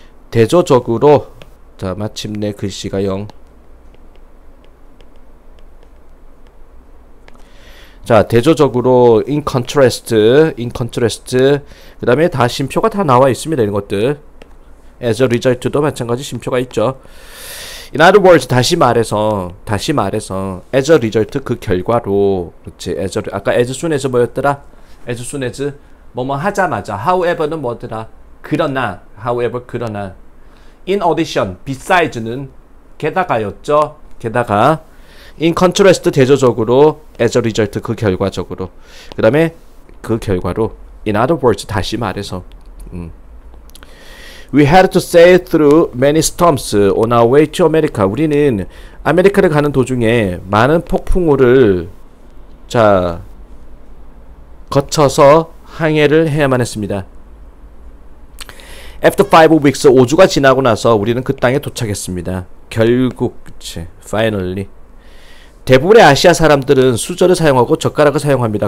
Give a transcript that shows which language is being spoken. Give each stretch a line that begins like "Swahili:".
Korean: 대조적으로, 자, 마침내 글씨가 0. 자, 대조적으로,
English: in contrast.
Korean: 그 다음에 다 쉼표가 다 나와 있습니다. 이런 것들.
English: As a result
Korean: 도 마찬가지 쉼표가 있죠.
English: In other words,
Korean: 다시 말해서,
English: as a result,
Korean: 그 결과로, 그렇지,
English: as a, 아까 as soon as 뭐였더라? As soon as,
Korean: 뭐뭐 하자마자, however는 뭐더라? 그러나,
English: however,
Korean: 그러나,
English: in addition,
Korean: besides는, 게다가였죠?
English: 게다가, in contrast,
Korean: 대조적으로,
English: as a result,
Korean: 그 결과적으로. 그 다음에, 그 결과로,
English: in other words,
Korean: 다시 말해서,
English: We had to sail through many storms on our way to America.
Korean: 우리는 아메리카를 가는 도중에 많은 폭풍우를, 자, 거쳐서 항해를 해야만 했습니다.
English: After 5 weeks,
Korean: 5주가 지나고 나서 우리는 그 땅에 도착했습니다. 결국, 그치,
English: finally.
Korean: 대부분의 아시아 사람들은 수저를 사용하고 젓가락을 사용합니다.